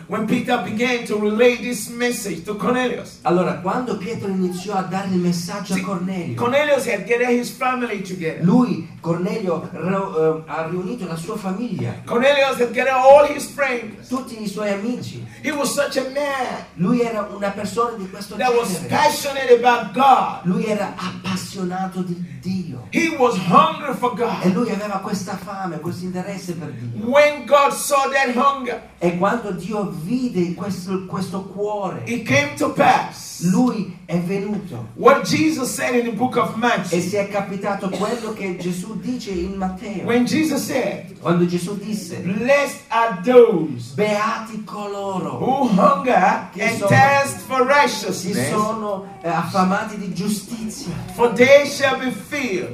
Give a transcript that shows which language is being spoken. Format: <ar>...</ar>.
<en>When Peter began to relay this message to Cornelius.</en> <it>Allora, quando Pietro iniziò a dare il messaggio a Cornelio.</it> <en>Cornelius had gathered his family together.</en> <it>Lui, Cornelio, ha riunito la sua famiglia.</it> <en>Cornelius had gathered all his friends.</en> <it>Tutti i suoi amici.</it> <en>He was such a man.</en> <it>Lui era una persona di questo genere.</it> <en>That was passionate about God.</en> <it>Lui era appassionato di Dio.</it> <en>He was hungry for God.</en> <it>E lui aveva questa fame, questo interesse per Dio.</it> <en>When God saw that hunger,</en> <it>e quando Dio vide questo cuore,</it> <en>it came to pass.</en> <it>Lui è venuto.</it> <en>What Jesus said in the book of Matthew.</en> <it>E si è capitato quello che Gesù dice in Matteo.</it> <en>When Jesus said,</en> <it>quando Gesù disse,</it> <en>blessed are those,</en> <it>beati coloro,</it> <en>who hunger and thirst for righteousness,</en> <it>si sono affamati di giustizia,</it> <en>for they shall be filled,</en>